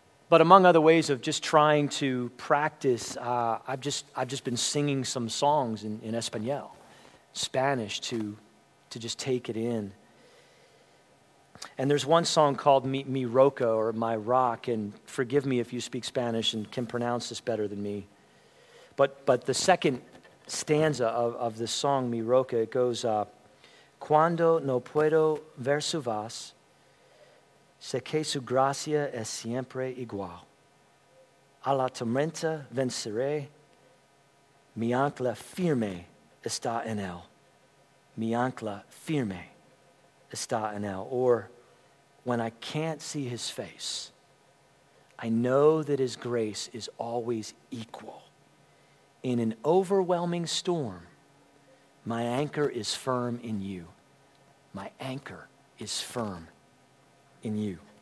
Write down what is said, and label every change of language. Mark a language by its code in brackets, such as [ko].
[en] But among other ways of just trying to practice, I've just been singing some songs in Espanol, Spanish, to just take it in. And there's one song called Mi Roca, or My Rock, and forgive me if you speak Spanish and can pronounce this better than me. But the second stanza of the song, Mi Roca, it goes up. [es] Cuando no puedo ver su vas, sé que su gracia es siempre igual. A la tormenta venceré, mi ancla firme está en él. Mi ancla firme está en él. [en] Or, when I can't see his face, I know that his grace is always equal. In an overwhelming storm, My anchor is firm in you. My anchor is firm in you.